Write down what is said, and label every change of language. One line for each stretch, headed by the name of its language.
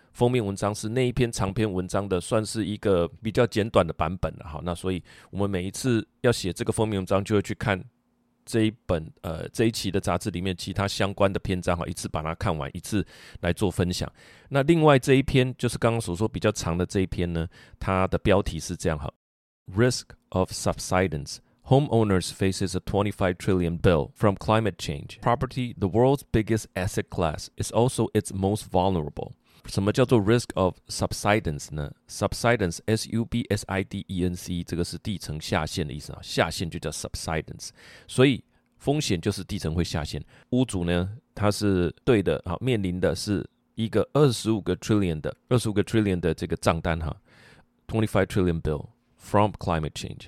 Chinese: 封面文章是那一篇长篇文章的算是一个比较简短的版本的，好，那所以我们每一次要写这个封面文章就会去看这一本这一期的杂志里面其他相关的篇章，一次把它看完，一次来做分享。那另外这一篇就是刚刚所说比较长的这一篇呢，它的标题是这样，好，
English: Risk of Subsidence: Homeowners faces a $25 trillion bill from climate change. Property, the world's biggest asset class, is also its most vulnerable.
Chinese: 什么叫做 risk of subsidence 呢？ Subsidence, S-U-B-S-I-D-E-N-C, 这个是地层下陷的意思，下陷就叫 subsidence。所以风险就是地层会下陷，屋主呢他是对的，好，面临的是一个25个 trillion 的这个账单，哈，
English: $25 trillion bill from climate change。